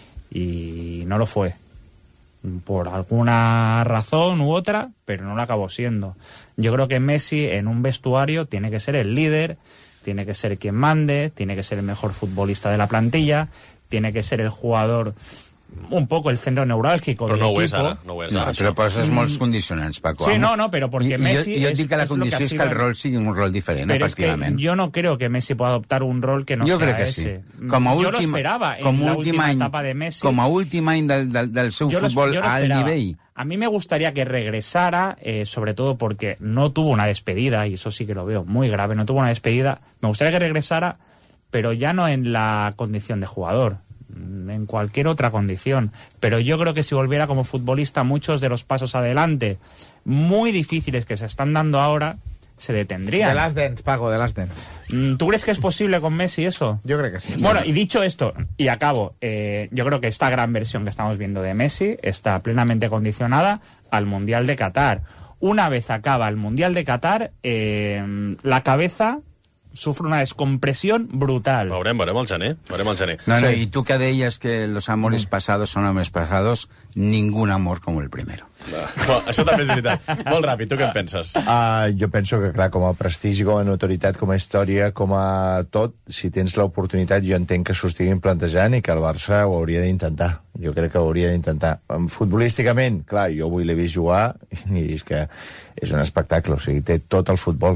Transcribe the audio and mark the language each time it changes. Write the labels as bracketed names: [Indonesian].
[Spanish] Y no lo fue. Por alguna razón u otra, pero no lo acabó siendo. Yo creo que Messi en un vestuario tiene que ser el líder, tiene que ser quien mande, tiene que ser el mejor futbolista de la plantilla, tiene que ser el jugador... un poco el centro neurálgico del equipo. [Catalan] Però no ho és ara. Però per això és molt condicionants, Paco. Sí, no, però perquè Messi... Jo dic que la condició és que el rol sigui un rol diferent, efectivament. [Spanish] Jo no creo que Messi pueda adoptar un rol que no sea ese. [Catalan] Jo crec que sí. Jo l'esperava en l'última etapa de Messi. Com a últim any del seu futbol a alt nivell. [Spanish] A mí me gustaría que regresara, sobre todo porque no tuvo una despedida, y eso sí que lo veo muy grave, no tuvo una despedida. Me gustaría que regresara, pero ya no en la condición de jugador, en cualquier otra condición. Pero yo creo que si volviera como futbolista, muchos de los pasos adelante muy difíciles que se están dando ahora se detendrían. De las dents, Paco, de las dents. ¿Tú crees que es posible con Messi eso? Yo creo que sí. Bueno, y dicho esto, y acabo, yo creo que esta gran versión que estamos viendo de Messi está plenamente condicionada al Mundial de Qatar. Una vez acaba el Mundial de Qatar, la cabeza sufre una descompresión brutal. [Catalan] Veurem el gener. [Spanish] No, no, sí. Y tú que deies que los amores pasados son amores pasados, ningún amor como el primero. [Catalan] Això també és veritat. Molt ràpid, tu què en penses? Jo penso que, clar, com a prestigi, com a notorietat, com a història, com a tot, si tens l'oportunitat, jo entenc que s'ho estiguin plantejant i que el Barça ho hauria d'intentar. Jo crec que ho hauria d'intentar. Futbolísticament, clar, jo avui l'he vist jugar i és que és un espectacle. O sigui, té tot el futbol.